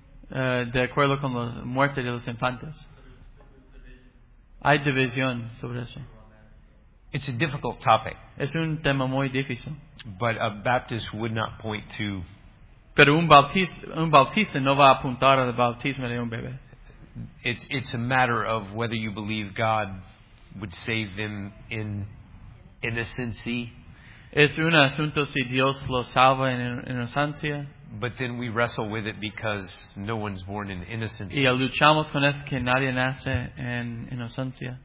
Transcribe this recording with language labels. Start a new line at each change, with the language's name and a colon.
Spanish: De acuerdo con la muerte de los infantes. Hay división sobre eso.
English: It's a difficult topic.
Spanish: Es un tema muy difícil.
English: But a Baptist would not point to...
Spanish: Pero un bautista no va a apuntar al bautismo de un bebé.
English: It's a matter of whether you believe God would save them in innocency.
Spanish: Es un asunto si Dios lo salva en inocencia.
English: But then we wrestle with it because no one's born in innocence.
Spanish: Y luchamos con esto que nadie nace en inocencia.